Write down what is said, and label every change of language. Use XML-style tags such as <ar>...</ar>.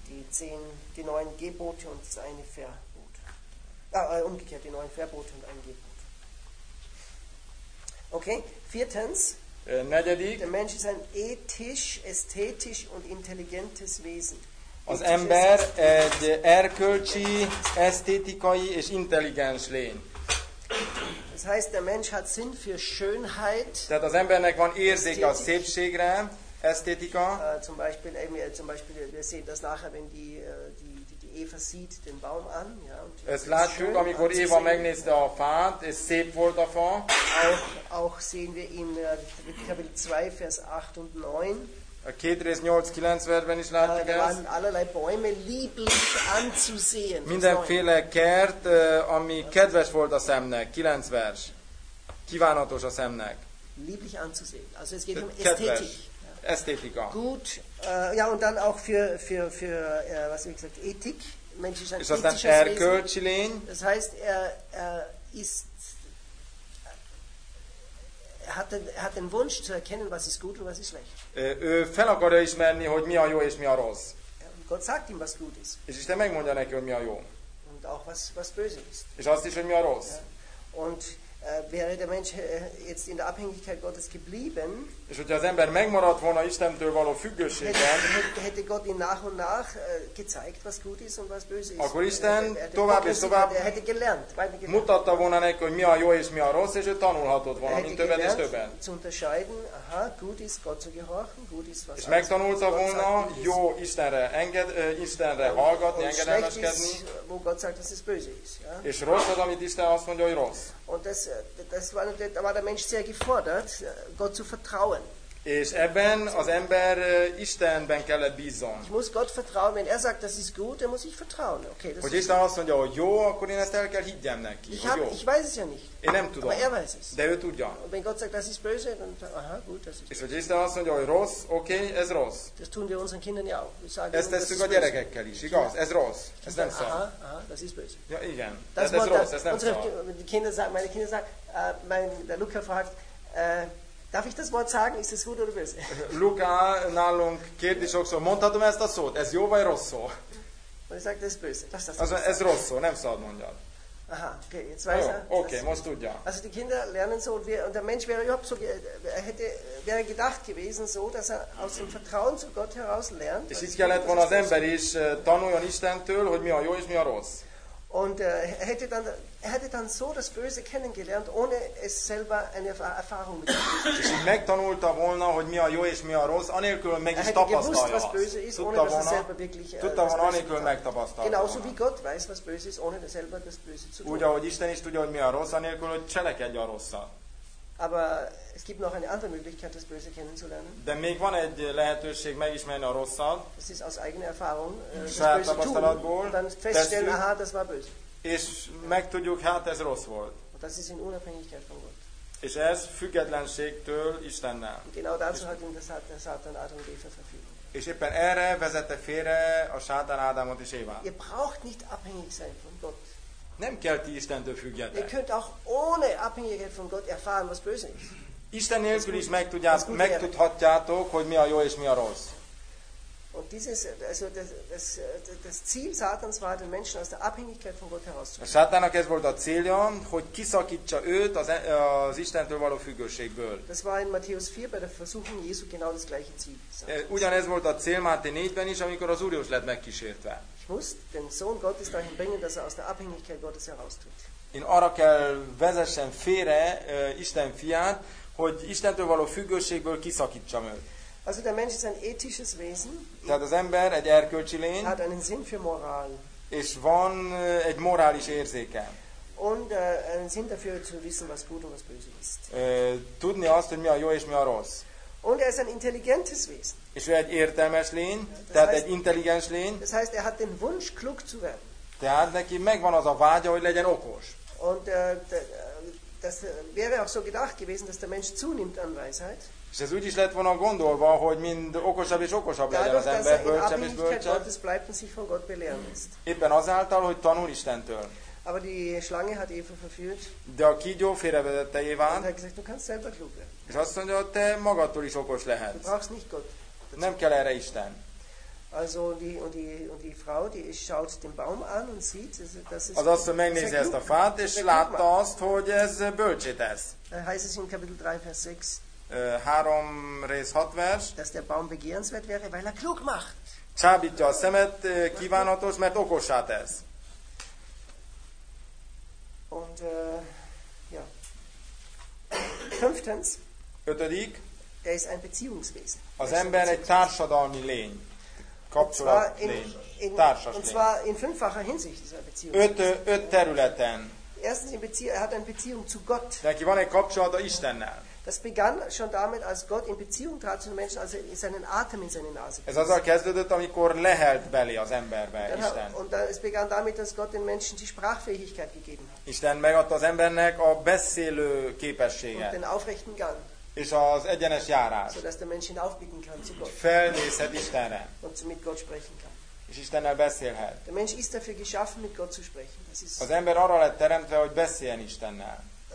<de>Sind die 9 Gebote und das eine Ver. Umgekehrt, die neuen Verbote und ein Gebot. Okay, viertens.</de> <hu>Negyedik.</hu> <de>Der Mensch ist ein ethisch, ästhetisch und intelligentes Wesen.</de> <hu>Az ember egy erkölcsi, esztétikai és intelligens lény.</hu> <de>Das heißt, der Mensch hat Sinn für Schönheit.</de> <hu>Tehát az embernek van érzéke a szépségre, esztétika.</hu> <de>Zum Beispiel, wir sehen das nachher, wenn die Eva sieht den Baum an, ja.</de> <hu>Ezt látjuk, amikor Éva megnézte a fát, és szép volt a fa.</hu> <de>Auch sehen wir in Kapitel 2, Vers 8 und 9.</de> <hu>A két rész 8-9 versben is látjuk ezt.</hu> <de>Da waren allerlei Bäume lieblich anzusehen.</de> <hu>Mindenféle kert, ami kedves volt a szemnek. 9 vers. Kívánatos a szemnek.</hu> <de>Lieblich anzusehen. Also es geht um Ästhetik.</de> <hu>Esztétika.</hu> <de>Gut. Ja, und dann auch für was habe ich gesagt, Ethik. Mensch ist ein Ist das ein</de> <hu>erkölcsi lény?</hu> <de>Das heißt, er ist, hat den Wunsch zu erkennen, was ist gut und was ist schlecht.</de> <hu>Ő fel akarja ismerni, hogy mi a jó és mi a rossz.</hu> <de>Gott sagt ihm, was gut ist.</de> <hu>És Isten megmondja neki, hogy mi a jó.</hu> <de>Und auch was böse ist.</de> <hu>És azt is, hogy mi a rossz.</hu> <de>Und wäre der Mensch jetzt in der Abhängigkeit Gottes geblieben,</de> <hu>és hogyha az ember megmaradt volna Istentől való függőségben,</hu> <de>hätte Gott ihn nach und nach gezeigt, was gut ist und was böse ist.</de> <hu>Akkor Isten tovább és tovább</hu> <de>hätte gelernt,</de> <hu>mutatta volna neki, hogy mi a jó és mi a rossz, és ő tanulhatott volna, mint többet és többet.</hu> <de>Zu unterscheiden, aha, gut ist Gott zu gehorchen, gut ist was.</de> <hu>És megtanulta volna jó Istenre Istenre hallgatni, engedelmeskedni.</hu> <de>Wo Gott sagt, dass es böse ist.</de> <hu>És rossz az, amit Isten azt mondja, hogy rossz.</hu> <de>Und das war, da war der Mensch sehr gefordert, Gott zu vertrauen.</de> <hu>És ebben az ember Istenben kellett bízzon.</hu> <de>Ich muss Gott vertrauen, wenn er sagt, das ist gut, dann muss ich vertrauen. Okay, das</de> <hu>hogy ist Isten azt mondja, hogy jó, akkor én ezt el kell higgyem neki.</hu> <de>Ich weiß es ja nicht.</de> <hu>Én nem tudom.</hu> <de>Aber er weiß es.</de> <hu>De ő tudja.</hu> <de>Und wenn Gott sagt, das ist böse, dann aha, gut, das ist.</de> <hu>És hogy Isten azt mondja, hogy rossz, okay, ez rossz.</hu> <de>Das tun wir unseren Kindern ja auch. Wir sagen,</de> <hu>ezt tesszük a gyerekekkel is, igaz? Ja. Ez rossz. Ez nem szó.</hu> <de>Aha, das ist böse.</de> <hu>Ja, igen. Das ez rossz, ez nem szó.</hu> <de>Unsere Kinder sagen, meine Kinder sagen, der Luca fragt, darf ich das Wort sagen? Ist es gut oder böse?</de> <hu>Luca, nálunk kérdés sokszor, mondhatom ezt a szót? Ez jó vagy rossz szó?</hu> <de>Und ich sage, das ist böse.</de> <hu>Ez rossz szó, nem szabad mondjad.</hu> <de>Aha, okay, jetzt weiß er.</de> <hu>Okay, most tudja.</hu> <de>Also die Kinder lernen so, und der Mensch wäre überhaupt so, wäre gedacht gewesen so, dass aus dem Vertrauen zu Gott heraus lernt.</de> <hu>És így kellett volna az ember is tanuljon Istentől, hogy mi a jó és mi a rossz.</hu> <de>Und er hätte dann so das Böse kennengelernt, ohne es selber eine Erfahrung mit.</de> <hu>És így megtanulta volna, hogy mi a jó és mi a rossz, anélkül, hogy meg is tapasztalja.</hu> <de>Er hätte gewusst, was böse ist, ohne dass er selber wirklich.</de> <hu>Tudta volna, anélkül, hogy megtapasztalja.</hu> <de>Genauso wie Gott weiß, was böse ist, ohne selber das Böse zu tun.</de> <hu>Úgy, ahogy Isten is tudja, hogy mi a rossz, anélkül, hogy cselekedje a rosszat.</hu> <de>Aber es gibt noch eine andere Möglichkeit, das Böse kennenzulernen.</de> <hu>De még van egy lehetőség megismerni a rosszat.</hu> <de>Das ist aus eigener Erfahrung, das Böse tun, und dann feststellen, aha, das war böse.</de> <hu>És megtudjuk, hát ez rossz volt.</hu> <de>Das ist in Unabhängigkeit von Gott.</de> <hu>És ez függetlenségtől Istennel.</hu> <de>Genau dazu hat ihn der Satan Adam und Eva verführt.</de> <hu>És éppen erre vezette félre a Sátán Ádámot és Évát.</hu> <de>Ihr braucht nicht abhängig sein von Gott.</de> <hu>Nem kell ti Istentől függjetek.</hu> <de>Ihr könnt auch ohne Abhängigkeit von Gott erfahren, was böse ist.</de> <hu>Isten nélkül is megtudhatjátok, hogy mi a jó és mi a rossz.</hu> <de>Und dieses, also das Ziel Satans war, den Menschen aus der Abhängigkeit von Gott herauszuführen.</de> <hu>Satannak ez volt a célja, hogy kiszakítsa őt az Istentől való függőségből.</hu> <de>Das war in Matthäus 4 bei der Versuchung Jesu genau das gleiche Ziel.</de> <hu>Ugyanez volt a cél Máté 4-ben is, amikor az Úr Jézus lett megkísértve.</hu> <de>Ich muss den Sohn Gottes dahin bringen, dass er aus der Abhängigkeit Gottes heraustritt.</de> <hu>Én arra kell vezessen félre Isten fiát, hogy Istentől való függőségből kiszakítsam őt.</hu> <de>Also der Mensch ist ein ethisches Wesen.</de> <hu>Tehát az ember egy erkölcsi lény.</hu> <de>Hat einen Sinn für Moral.</de> <hu>És van egy morális érzéke.</hu> <de>Und einen Sinn dafür zu wissen, was gut und was böse ist.</de> <hu>Tudni azt, hogy mi a jó és mi a rossz.</hu> <de>Und er ist ein intelligentes Wesen.</de> <hu>És ő egy értelmes lény, tehát egy intelligens lény.</hu> <de>Das heißt, er hat den Wunsch, klug zu werden.</de> <hu>Tehát neki megvan az a vágya, hogy legyen okos.</hu> <de>Und das wäre auch so gedacht gewesen, dass der Mensch zunimmt an Weisheit.</de> <hu>És ez úgy is lett volna gondolva, hogy mind okosabb és okosabb legyen az ember, bölcsebb és bölcsebb. Éppen azáltal, hogy tanul Istentől.</hu> <de>Aber die Schlange hat Eva verführt.</de> <hu>De a kígyó félrevezette Éván. És azt mondja, hogy te magadtól is okos lehetsz.</hu> <de>Du brauchst nicht Gott.</de> <hu>Nem kell erre Isten.</hu> <de>Also die Frau, die schaut den Baum an und sieht, dass es.</de> <hu>Az asszony megnézi ezt a fát, és látta azt, hogy ez bölcsé tesz.</hu> <de>Heißt es in Kapitel 3, Vers 6.</de> <hu>3 rész 6 vers.</hu> <de>Dass der Baum begehrenswert wäre, weil er klug macht.</de> <hu>Csábítja a szemet, kívánatos, mert okossá tesz.</hu> <de>Und ja. Fünftens.</de> <hu>Ötödik.</hu> <de>Er ist ein Beziehungswesen.</de> <hu>Az ember egy társadalmi lény. Kapcsolatlény. Társas lény.</hu> <de>Und zwar in fünffacher Hinsicht ist er Beziehungswesen.</de> <hu>Öt területen.</hu> <de>Erstens er hat eine Beziehung zu Gott.</de> <hu>Neki van egy kapcsolata Istennel.</hu> <de>Das begann schon damit, als Gott in Beziehung trat zu den Menschen, als er seinen Atem in seine Nase blies.</de> <hu>Ez azzal kezdődött, amikor lehelt belé az emberbe Isten.</hu> <de>Und es begann damit, dass Gott den Menschen die Sprachfähigkeit gegeben hat.</de> <hu>Isten megadta az embernek a beszélő képességet.</hu> <de>Und den aufrechten Gang.</de> <hu>És az egyenes járás.</hu> <de>So dass der Mensch hinaufblicken kann zu Gott.</de> <hu>Felnézhet Istenre.</hu> <de>Und mit Gott sprechen kann.</de> <hu>És Istennel beszélhet.</hu> <de>Der Mensch ist dafür geschaffen, mit Gott zu sprechen. Das ist</de> <hu>az ember arra lett teremtve, hogy beszéljen Istennel.</hu>